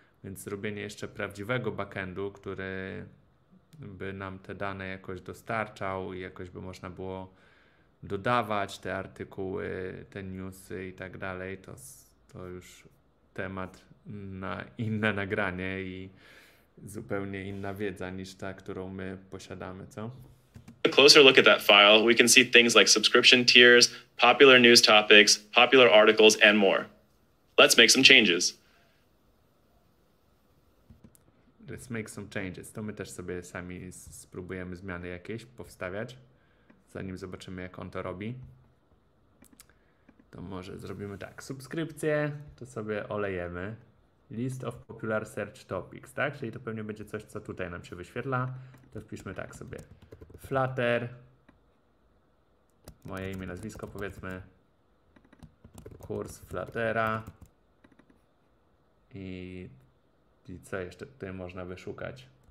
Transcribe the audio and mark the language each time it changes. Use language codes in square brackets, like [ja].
[pl] Więc zrobienie jeszcze prawdziwego backendu, który by nam te dane jakoś dostarczał i jakoś by można było dodawać te artykuły, te newsy i tak dalej, to już temat na inne nagranie i zupełnie inna wiedza niż ta, którą my posiadamy, co? [en] A closer look at that file, we can see things like subscription tiers, popular news topics, popular articles and more. Let's make some changes. Let's make some changes. [pl] To my też sobie sami spróbujemy zmiany jakieś powstawiać, zanim zobaczymy, jak on to robi. To może zrobimy tak, subskrypcje, to sobie olejemy. [en] List of popular search topics, tak? [pl] Czyli to pewnie będzie coś, co tutaj nam się wyświetla. To wpiszmy tak sobie. Flutter, moje imię, nazwisko powiedzmy, kurs Fluttera i co jeszcze tutaj można wyszukać?